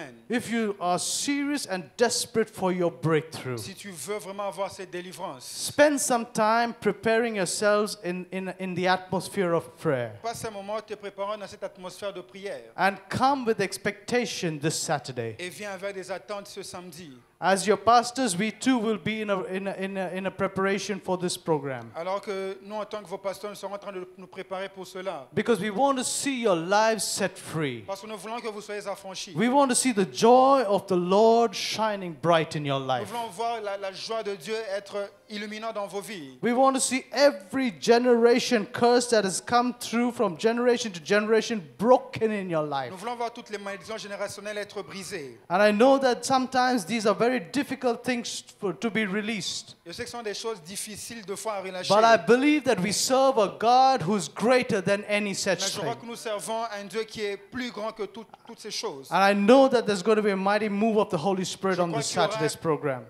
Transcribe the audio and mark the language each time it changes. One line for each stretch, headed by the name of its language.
English: If you are serious and desperate for your breakthrough,
French: si tu veux vraiment avoir cette délivrance,
English: spend some time preparing yourselves in the atmosphere of prayer.
French: Passe un moment te préparant dans cette atmosphère de prière.
English: And come with expectation this Saturday.
French: Et viens avec des attentes ce samedi.
English: As your pastors, we too will be in a preparation for this program.
French: Alors que nous, en tant que vos pasteurs, nous sommes en train de nous préparer pour cela.
English: Because we want to see your lives set free.
French: Parce que nous voulons que vous soyez affranchis.
English: We want to see the joy of the Lord shining bright in your life.
French: Nous voulons voir la joie de Dieu être illuminant dans vos vies.
English: We want to see every generation curse that has come through from generation to generation broken in your life.
French: Nous voulons voir toutes les malédictions générationnelles être brisées.
English: And I know that sometimes these are very difficult things to be released.
French: Je sais que ce sont des choses difficiles de fois à relâcher.
English: But I believe that we serve a God who's greater than any such thing.
French: Mais je crois que nous servons un Dieu qui est plus grand que toutes ces choses.
English: And I know that there's going to be a mighty move of the Holy Spirit on this Saturday's program.